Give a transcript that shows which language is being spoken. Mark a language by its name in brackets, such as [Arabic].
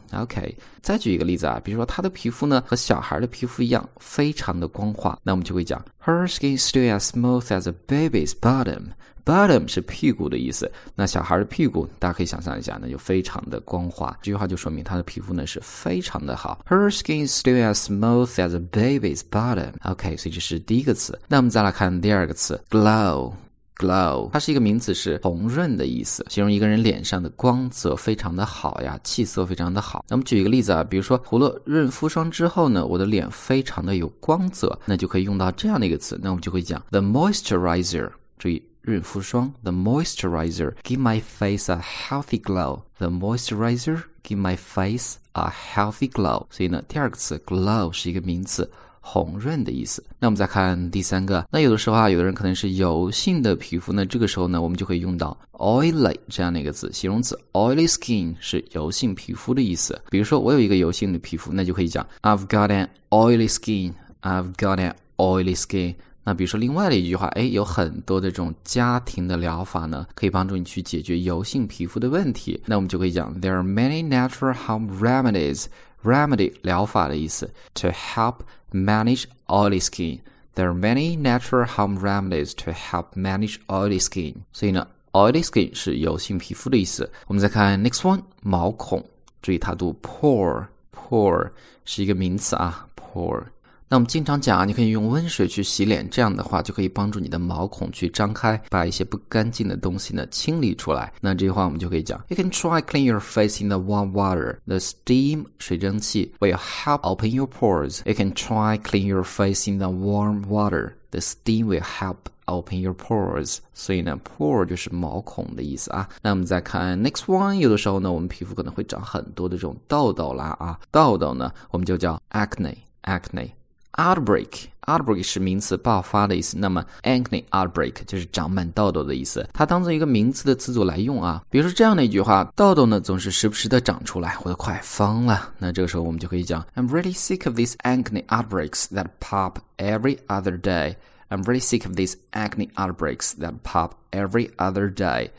[Chinese] OK, 再举一个例子啊，比如说她的皮肤呢和小孩的皮肤一样非常的光滑，那我们就会讲 [English] Her skin still as smooth as a baby's bottom. [Chinese] Bottom 是屁股的意思，那小孩的屁股大家可以想象一下，那就非常的光滑，这句话就说明她的皮肤呢是非常的好。 [English] Her skin still as smooth as a baby's bottom. [Chinese] OK, 所以这是第一个词。那我们再来看第二个词， glowGlow， 它是一个名词，是红润的意思，形容一个人脸上的光泽非常的好呀，气色非常的好。那么举一个例子啊，比如说涂了润肤霜之后呢，我的脸非常的有光泽，那就可以用到这样的一个词，那我们就会讲 [English] The moisturizer， 注意润肤霜 The moisturizer give my face a healthy glow. The moisturizer give my face a healthy glow. [Chinese] 所以呢第二个词 glow 是一个名词，红润的意思。那我们再看第三个，那有的时候啊，有的人可能是油性的皮肤，那这个时候呢我们就会用到 oily 这样的一个词，形容词 oily skin 是油性皮肤的意思。比如说我有一个油性的皮肤，那就可以讲 [English] I've got an oily skin， [Chinese] I've got an oily skin。那比如说另外的一句话，哎，有很多的这种家庭的疗法呢可以帮助你去解决油性皮肤的问题，那我们就可以讲 [English] There are many natural home remediesRemedy [Chinese] 疗法的意思 [English] To help manage oily skin. There are many natural home remedies to help manage oily skin. [Chinese] 所以呢 oily skin 是油性皮肤的意思。我们再看 [English] next one， [Chinese] 毛孔，注意它读 pore， pore 是一个名词啊， pore。那我们经常讲啊，你可以用温水去洗脸，这样的话就可以帮助你的毛孔去张开，把一些不干净的东西呢清理出来。那这句话我们就可以讲 [English] You can try clean your face in the warm water. The steam [Chinese] 水蒸气 [English] will help open your pores. You can try clean your face in the warm water. The steam will help open your pores. [Chinese] 所以呢 pore 就是毛孔的意思啊。那我们再看 [English] next one， [Chinese] 有的时候呢我们皮肤可能会长很多的这种痘痘啦啊，痘痘呢我们就叫 acne， acne。 Outbreak， outbreak 是名词，爆发的意思。那么 acne outbreak 就是长满痘痘的意思，它当作一个名词的词组来用啊。比如说这样的一句话，痘痘呢总是时不时的长出来，我都快疯了。那这个时候我们就可以讲 [English] I'm really sick of these acne outbreaks that pop every other day. I'm really sick of these acne outbreaks that pop every other day.